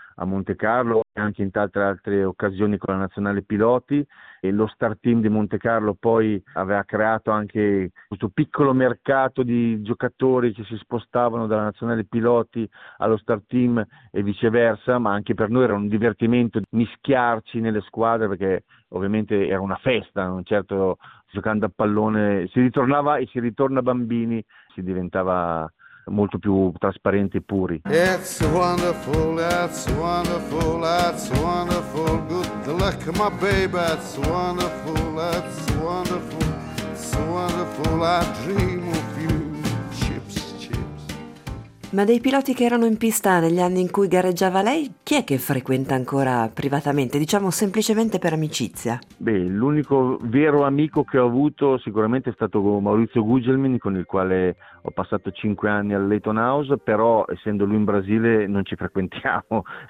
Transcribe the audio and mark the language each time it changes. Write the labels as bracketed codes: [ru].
[it] a Monte Carlo e anche in tante altre occasioni con la nazionale piloti, e lo Star Team di Monte Carlo poi aveva creato anche questo piccolo mercato di giocatori che si spostavano dalla nazionale piloti allo Star Team e viceversa, ma anche per noi era un divertimento mischiarci nelle squadre, perché ovviamente era una festa, non certo giocando a pallone si ritornava e si ritorna bambini, si diventava molto più trasparenti e puri. [en] It's wonderful, that's wonderful, that's wonderful, good luck my baby, that's wonderful, it's wonderful, I dream of you, chips, chips. [it] Ma dei piloti che erano in pista negli anni in cui gareggiava lei, chi è che frequenta ancora privatamente, diciamo semplicemente per amicizia? Beh, l'unico vero amico che ho avuto sicuramente è stato Maurizio Gugelmin, con il quale ho passato 5 anni al Leyton House, però essendo lui in Brasile non ci frequentiamo.